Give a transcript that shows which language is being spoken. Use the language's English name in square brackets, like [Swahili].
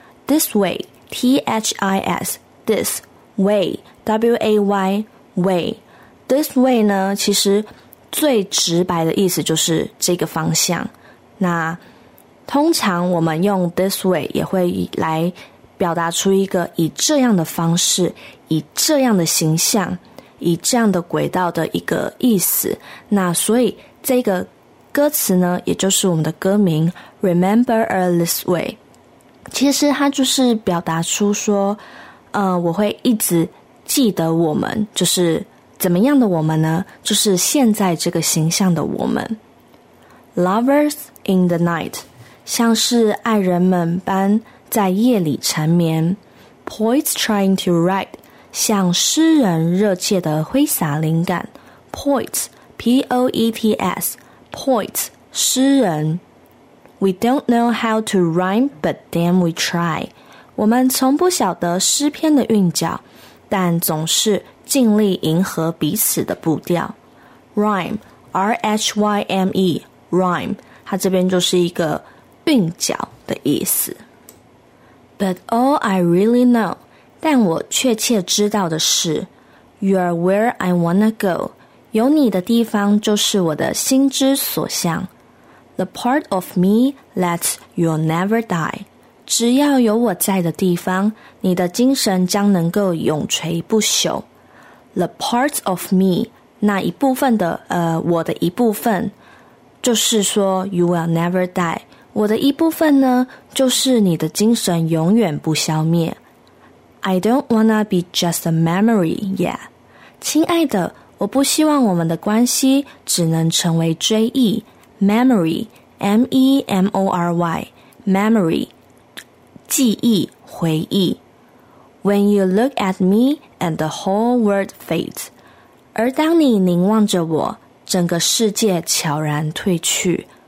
[English] This way,T-H-I-S This way W-A-Y Way This way [Chinese] 呢，其实最直白的意思就是这个方向。那通常我们用 [English] this way [Chinese] 也会来表达出一个以这样的方式，以这样的形象，以这样的轨道的一个意思。那所以这个歌词呢，也就是我们的歌名 Remember Us This Way，其实它就是表达出说我会一直记得我们，就是怎么样的我们呢，就是现在这个形象的我们。 [English] Lovers in the night， [Chinese] 像是爱人们般在夜里缠绵。 [English] Poets trying to write， [Chinese] 像诗人热切的挥洒灵感。 [English] Poets P-O-E-T-S Poets [Chinese] 诗人。 [English] We don't know how to rhyme, but damn we try. [Chinese] 我们从不晓得诗篇的韵脚，但总是尽力迎合彼此的步调。 [English] Rhyme, R-H-Y-M-E, rhyme. [Chinese] 它这边就是一个韵脚的意思。 [English] But all I really know, [Chinese] 但我确切知道的是 [English] You're where I wanna go. [Chinese] 有你的地方就是我的心之所向。 [English] The part of me that you'll never die， [Chinese] 只要有我在的地方，你的精神将能够永垂不朽。 [English] The part of me， [Chinese] 那一部分的我的一部分，就是说 [English] you will never die， [Chinese] 我的一部分呢，就是你的精神永远不消灭。 [English] I don't wanna be just a memory， yeah， [Chinese] 亲爱的，我不希望我们的关系只能成为追忆。 [English] Memory, M-E-M-O-R-Y, memory, [Chinese] 记忆、回忆。 [English] When you look at me and the whole world fades, [Chinese] 而当你凝望着我，整个世界悄然退去。